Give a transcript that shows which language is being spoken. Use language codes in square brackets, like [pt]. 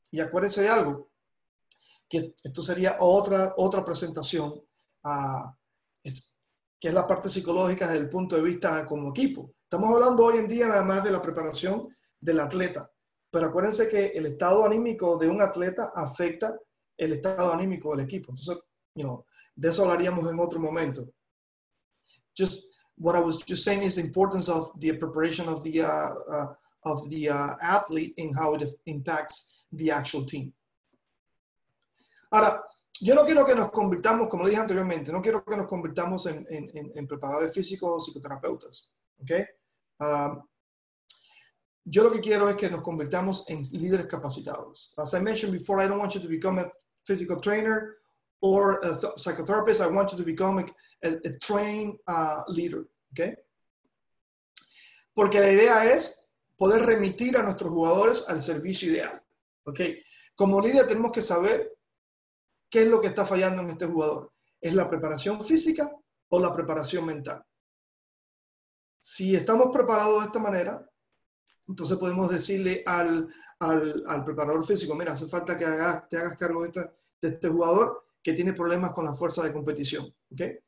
[es] Y acuérdense de algo, que esto sería otra presentación, que es la parte psicológica desde el punto de vista como equipo. Estamos hablando hoy en día nada más de la preparación del atleta, pero acuérdense que el estado anímico de un atleta afecta el estado anímico del equipo. Entonces, de eso hablaríamos en otro momento. [en] Just what I was just saying is the importance of the preparation of the athlete and how it impacts the actual team. [es] Ahora, yo no quiero que nos convirtamos, como dije anteriormente, no quiero que nos convirtamos en preparadores físicos o psicoterapeutas, ¿ok? Yo lo que quiero es que nos convirtamos en líderes capacitados. [en] As I mentioned before, I don't want you to become a physical trainer or a psychotherapist. I want you to become a trained leader, ¿ok? [es] Porque la idea es poder remitir a nuestros jugadores al servicio ideal, ¿ok? Como líder tenemos que saber qué es lo que está fallando en este jugador. ¿Es la preparación física o la preparación mental? Si estamos preparados de esta manera, entonces podemos decirle al preparador físico, mira, hace falta que te hagas cargo de este jugador que tiene problemas con la fuerza de competición, ¿ok?